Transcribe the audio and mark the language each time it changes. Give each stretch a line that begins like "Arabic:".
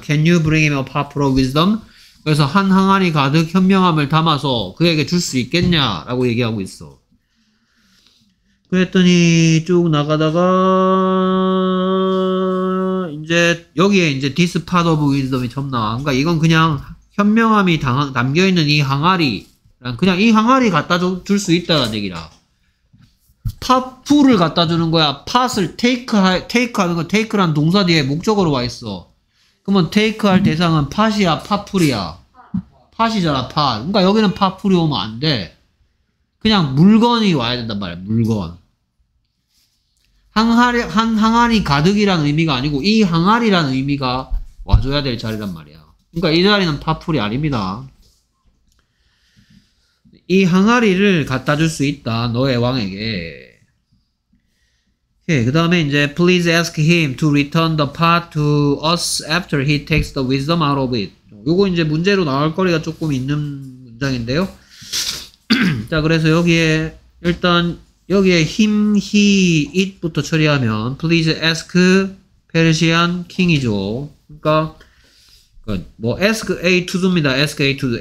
English: Can you bring him a puff of wisdom?
Korean: 그래서 한 항아리 가득 현명함을 담아서 그에게 줄수 있겠냐 라고 얘기하고 있어. 그랬더니 쭉 나가다가 이제 여기에 이제
English: This part of wisdom
Korean: 이 처음 나와. 그러니까 이건 그냥 현명함이 담겨있는 이 항아리, 그냥 이 항아리 갖다 줄수 있다는 얘기라. 파풀을 갖다 주는 거야. 팟을 테이크하는 거. 테이크란 동사 뒤에 목적으로 와 있어. 그러면 테이크할 대상은 팟이야, 파풀이야? 팟이잖아, 팟. 그러니까 여기는 팟풀이 오면 안 돼. 그냥 물건이 와야 된단 말이야, 물건. 항아리 가득이라는 의미가 아니고 이 항아리라는 의미가 와줘야 될 자리란 말이야. 그러니까 이 자리는 팟풀이 아닙니다. 이 항아리를 갖다 줄 수 있다, 너의 왕에게. 그 다음에 이제
English: Please ask him to return the pot to us after he takes the wisdom out of it.
Korean: 요거 이제 문제로 나올 거리가 조금 있는 문장인데요. 자, 그래서 여기에 일단 여기에 him, he, it부터 처리하면
English: Please ask Persian king
Korean: 이죠. 그러니까 뭐
English: ask A to do입니다. Ask A to do.